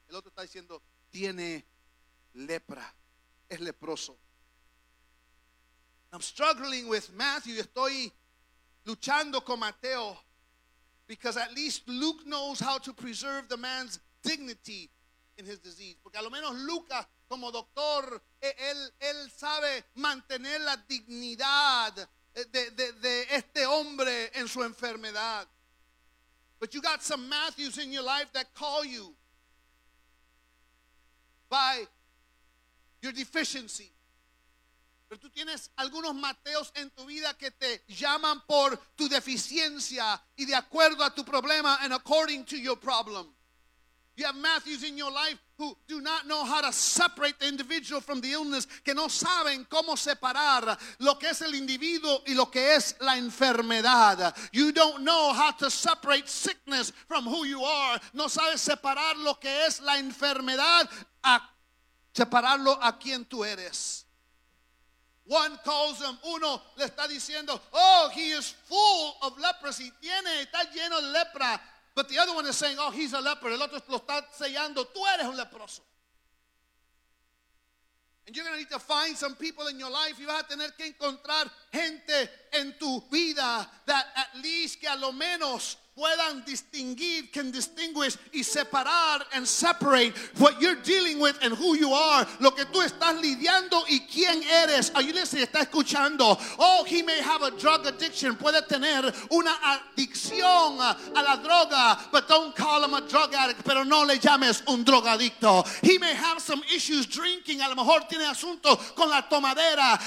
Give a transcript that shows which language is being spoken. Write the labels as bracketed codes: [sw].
[es] El otro está diciendo, tiene lepra. Es leproso. [en] I'm struggling with Matthew. [es] Estoy luchando con Mateo. [en] Because at least Luke knows how to preserve the man's dignity in his disease. [es] Porque a lo menos Lucas, como doctor, él sabe mantener la dignidad de este hombre en su enfermedad. [en] But you got some Matthews in your life that call you by your deficiency. [es] Pero tú tienes algunos Mateos en tu vida que te llaman por tu deficiencia y de acuerdo a tu problema, [en] and according to your problem. You have Matthews in your life who do not know how to separate the individual from the illness, [es] que no saben cómo separar lo que es el individuo y lo que es la enfermedad. [en] You don't know how to separate sickness from who you are. [es] No sabes separar lo que es la enfermedad a separarlo a quien tú eres. [en] One calls him, [es] uno le está diciendo, [en] oh, he is full of leprosy. [es] Tiene, está lleno de lepra. [en] But the other one is saying, oh, he's a leper. [es] El otro lo está sellando, tú eres un leproso. [en] And you're going to need to find some people in your life. [es] Y vas a tener que encontrar gente en tu vida [en] that at least, [es] que a lo menos puedan distinguir, [en] can distinguish [es] y separar [en] and separate what you're dealing with and who you are. [es] Lo que tú estás lidiando y quién eres. [en] Are you listening? [es] Está escuchando. [en] Oh, he may have a drug addiction. [es] Puede tener una adicción a la droga. [en] But don't call him a drug addict. [es] Pero no le llames un drogadicto. [en] He may have some issues drinking. [es] A lo mejor tiene asunto con la tomadera.